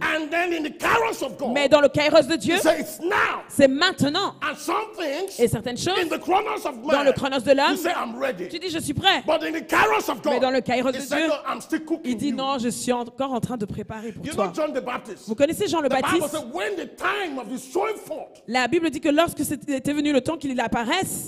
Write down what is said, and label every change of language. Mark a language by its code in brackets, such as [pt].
[en] And then in the kairos of God, [fr] mais dans le kairos de Dieu. [en] Say it's now. [fr] C'est maintenant. [en] And some things, [fr] et certaines choses [en] in the chronos of man, [fr] dans le chronos de l'homme. [en] You say, I'm ready. [fr] Tu dis je suis prêt. [en] But in the kairos of God, [fr] mais dans le kairos de Dieu. [en] I'm still cooking. [fr] Il dit [en] you. [fr] Non, je suis encore en train de préparer pour [en] you [fr] toi. [en] Know John the Baptist. [fr] Vous connaissez Jean [en] the [fr] le Baptiste. [en] Bible says, when the time of his showing forth, [fr] la Bible dit que lorsque c'était venu le temps qu'il apparaisse,